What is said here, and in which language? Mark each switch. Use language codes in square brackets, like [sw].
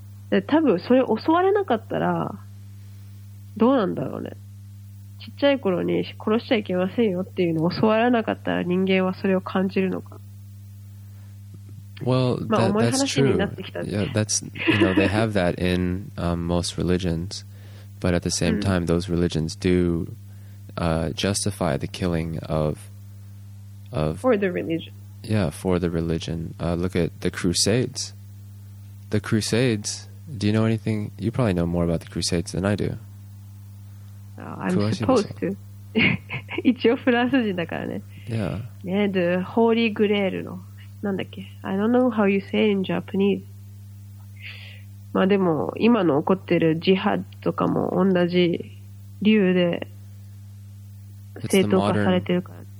[ja] で、多分それ襲われなかったらどうなんだろうね。ちっちゃい頃に殺しちゃいけませんよっていうのを襲われなかったら人間はそれを感じるのか。 [en] Well, [ja] まあ、重い話になってきたって。 [en] That's true. Yeah, that's, you know, they have that in most religions, but at the same time, those religions do justify the killing of, for the religion. Yeah, for the religion. Look at the Crusades. The Crusades, do you know anything? You probably know more about the Crusades than I do. I'm supposed to. [ja] 一応フランス人だからね。 [en] Yeah. [ja] ね、the Holy Grail の、なんだっけ? [en] I don't know how you say it in Japanese. [ja] まあでも、今の起こってるジハッドとかも同じ理由で正当化されてるから。